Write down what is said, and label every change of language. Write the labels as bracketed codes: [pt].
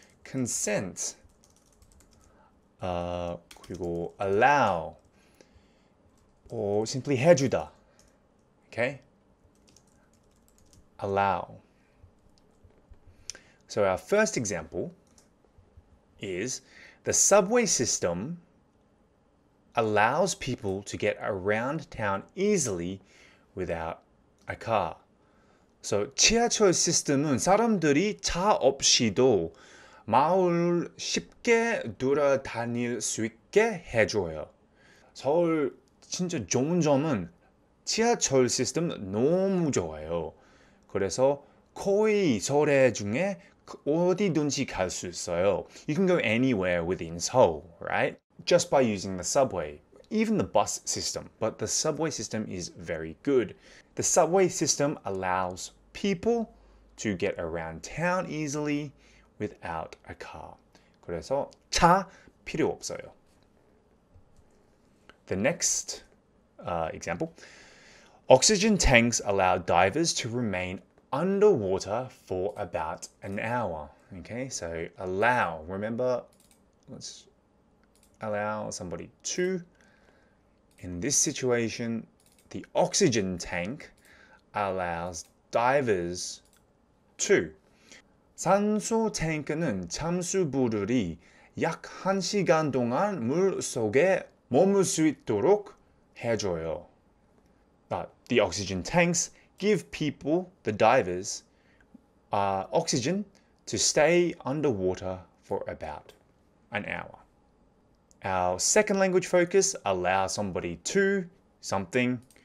[en] Consent, 그리고 allow, or simply 해주다, okay? Allow. So our first example is the subway system allows people to get around town easily without a car. [ko] So 지하철 시스템은 사람들이 차 없이도 마을 쉽게 돌아다닐 수 있게 해줘요. 서울 진짜 좋은 점은 지하철 시스템 너무 좋아요. 그래서 거의 서울 중에 어디든지 갈 수 있어요. [en] You can go anywhere within Seoul, right? Just by using the subway, even the bus system. But the subway system is very good. The subway system allows people to get around town easily without a car. [ko] 그래서 차 필요 없어요. [en] The next example. Oxygen tanks allow divers to remain underwater for about an hour. Okay, so allow. Remember, let's allow somebody to. In this situation, the oxygen tank allows divers to. [ko] 산소 탱크는 잠수부들이 약 한 시간 동안 물 속에 머물 수 있도록 해줘요. [en] But the oxygen tanks give people, the divers, oxygen to stay underwater for about an hour. Our second language focus, allow somebody to something.